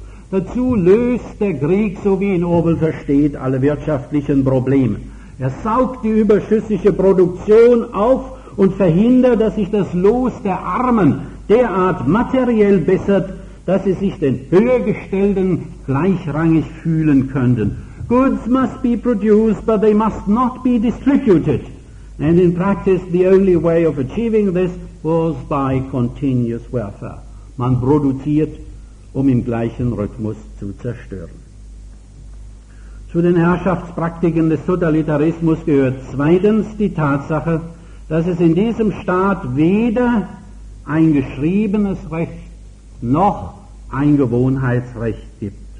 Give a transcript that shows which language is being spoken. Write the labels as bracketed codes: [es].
[de] Dazu löst der Krieg, so wie ihn Orwell versteht, alle wirtschaftlichen Probleme. Er saugt die überschüssige Produktion auf und verhindert, dass sich das Los der Armen derart materiell bessert, dass sie sich den Höhergestellten gleichrangig fühlen könnten. [en] Goods must be produced, but they must not be distributed. And in practice, the only way of achieving this was by continuous warfare. [de] Man produziert, um im gleichen Rhythmus zu zerstören. Zu den Herrschaftspraktiken des Totalitarismus gehört zweitens die Tatsache, dass es in diesem Staat weder ein geschriebenes Recht noch ein Gewohnheitsrecht gibt.